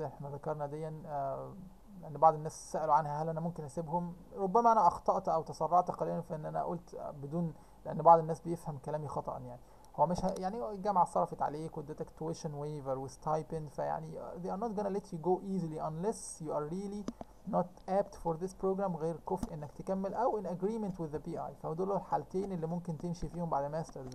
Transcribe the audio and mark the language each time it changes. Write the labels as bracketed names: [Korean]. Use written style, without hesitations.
[Arabic] احنا ذكرنا ديا لأن بعض الناس سألوا عنها. هل أنا ممكن أسيبهم؟ ربما أنا أخطأت أو تسرعت قليلا في أن أنا قلت بدون, لأن بعض الناس بيفهم كلامي خطأ يعني. هو مش يعني الجامعة صرفت عليك وادتك tuition waiver وstipend. [English] فيعني they are not gonna let you go easily unless you are really not apt for this program. [Arabic] غير كفء انك تكمل او [English] in agreement with the PI. [Arabic] فهدول الحالتين اللي ممكن تمشي فيهم بعد ماسترز.